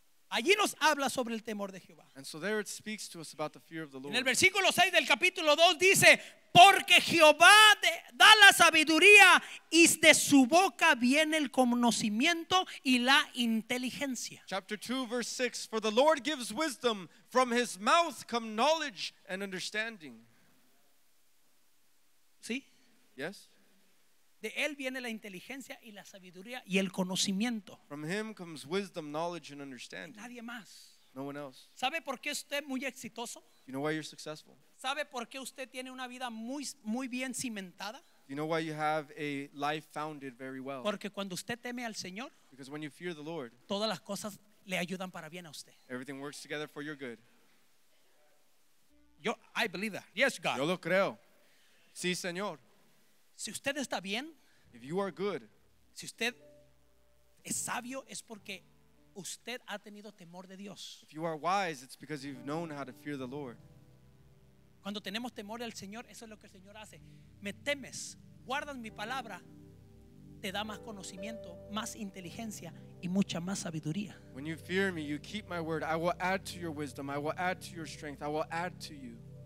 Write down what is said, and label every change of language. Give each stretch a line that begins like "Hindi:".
Spanish: Allí nos habla sobre el temor de Jehová.
English: And so there it speaks to us about the fear of the Lord.
Spanish: En el versículo 6 del capítulo 2 dice, porque Jehová da la sabiduría y de su boca viene el conocimiento y la inteligencia.
English: Chapter 2 verse 6, for the Lord gives wisdom, from his mouth come knowledge and understanding.
Spanish: ¿Sí?
English: Yes.
Spanish: De él viene la inteligencia y la sabiduría y el conocimiento.
English: From him comes wisdom, knowledge and understanding.
Spanish: Y nadie más.
English: No one else.
Spanish: ¿Sabe por qué usted es muy exitoso?
English: You know why you're successful?
Spanish: ¿Sabe por qué usted tiene una vida muy, muy bien cimentada?
English: You know why you have a life founded very well?
Spanish: Porque cuando usted teme al Señor,
English: because when you fear the Lord,
Spanish: todas las cosas le ayudan para bien a usted.
English: Everything works together for your good. Yo, I believe that. Yes, God.
Spanish: Yo lo creo. Sí, Señor. Si usted está bien,
English: if you are good,
Spanish: si usted es sabio, es porque usted ha tenido temor de Dios.
English: If you are wise, it's because you've known how to fear the Lord.
Spanish: Cuando tenemos temor al Señor, eso es lo que el Señor hace. Me temes, guardas mi palabra, te da más conocimiento, más inteligencia y mucha más sabiduría.
English: When you fear me, you keep my word, I will add to your wisdom, I will add to your strength, I will add to you.